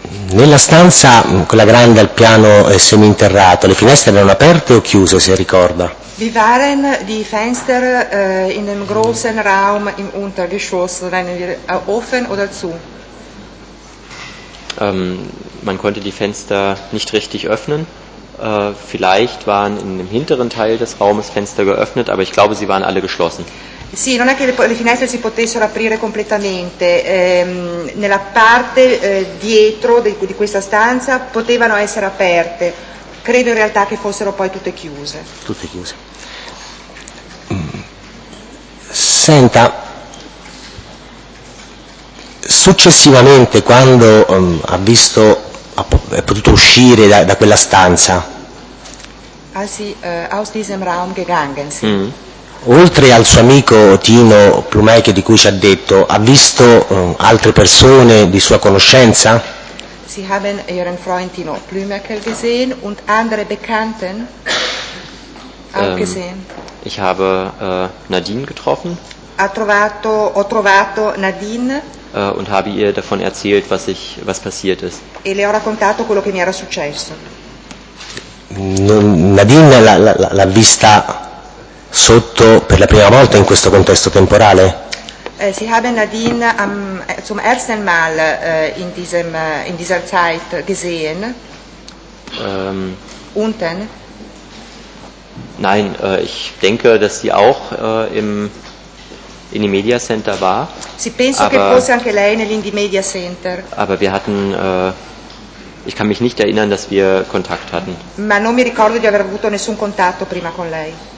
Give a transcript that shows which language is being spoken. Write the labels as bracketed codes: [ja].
[it] Nella stanza, quella grande al piano seminterrato, le finestre erano aperte o chiuse, se ricorda? [de] Wir waren die Fenster in dem großen Raum im Untergeschoss, waren wir offen oder zu? Man konnte die Fenster nicht richtig öffnen. Vielleicht waren in dem hinteren Teil des Raumes Fenster geöffnet, aber ich glaube, sie waren alle geschlossen. [it] Sì, non è che le finestre si potessero aprire completamente. Nella parte dietro di questa stanza potevano essere aperte. Credo in realtà che fossero poi tutte chiuse. Tutte chiuse. Senta, successivamente quando ha visto, è potuto uscire da quella stanza. [de] Als sie aus diesem Raum gegangen sind. Mm. [it] Oltre al suo amico Tino Plumeike, di cui ci ha detto, ha visto altre persone di sua conoscenza? [de] Sie haben Ihren Freund Tino Plumeikel gesehen und andere Bekannten auch gesehen. Ich habe Nadine getroffen. [it] Ho trovato Nadine. [de] Und habe ihr davon erzählt, was passiert ist. [it] E le ho raccontato quello che mi era successo. Nadine l'ha vista sotto per la prima volta in questo contesto temporale? [de] Sie haben Nadine zum ersten Mal in dieser Zeit gesehen? Unten? Nein, ich denke, dass sie auch in dem Media Center war. [it] Sie penso che fosse anche lei nell'Indie Media Center. [de] Aber wir hatten, ich kann mich nicht erinnern, dass wir Kontakt hatten. [it] Ma non mi ricordo di aver avuto nessun contatto prima con lei.